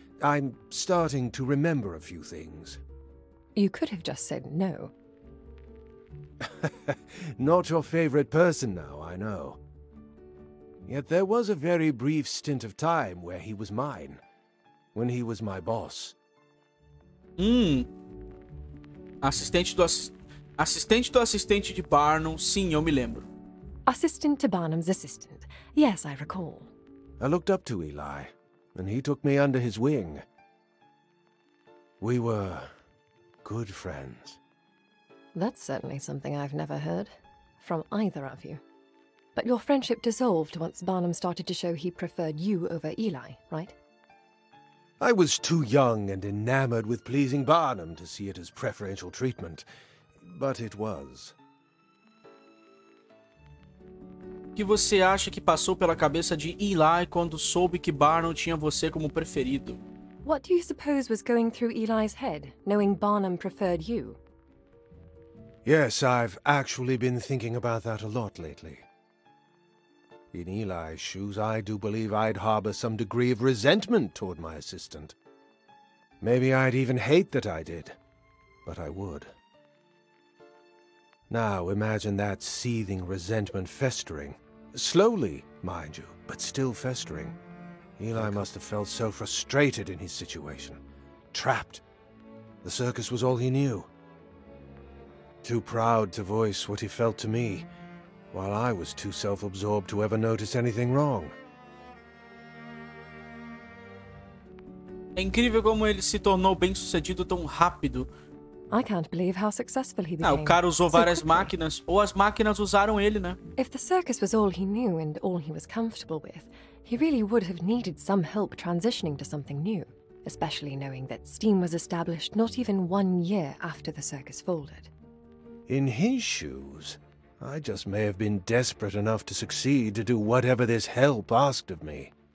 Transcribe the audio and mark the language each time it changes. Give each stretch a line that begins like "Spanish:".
English: I'm starting to remember a few things. You could have just said no. Not your favorite person now, I know. Yet there was a very brief stint of time where he was mine. When he was my boss.
Portuguese: Assistente do assistente de Barnum, sim, eu me lembro.
English: Assistant to Barnum's assistant. Yes, I recall. I looked up to Eli, and he took me under his wing. We were good friends. That's certainly something I've never heard from either of you. But your friendship dissolved once Barnum started to show he preferred you over Eli, right? I was too young and enamored with pleasing Barnum to see it as preferential treatment. But it was.
Portuguese: O que você acha que passou pela cabeça de Eli quando soube que Barnum tinha você como preferido?
English: What do you suppose was going through Eli's head, knowing Barnum preferred you? Yes, I've actually been thinking about that a lot lately. In Eli's shoes, I do believe I'd harbor some degree of resentment toward my assistant. Maybe I'd even hate that I did, but I would. Now imagine that seething resentment festering. Slowly, mind you, but still festering. Eli must have felt so frustrated in his situation. Trapped. The circus was all he knew. Too proud to voice what he felt to me, while I was too self-absorbed to ever notice anything wrong.
Portuguese: É incrível como ele se tornou bem-sucedido tão rápido.
English: I can't believe how successful he became.
Portuguese: Ah, o cara usou várias máquinas, ou as máquinas usaram ele, né?
English: If the circus was all he knew and all he was comfortable with, he really would have needed some help transitioning to something new, especially knowing that Steam was established not even 1 year after the circus folded. In his shoes, I just may have been desperate enough to succeed to do whatever this help asked of me.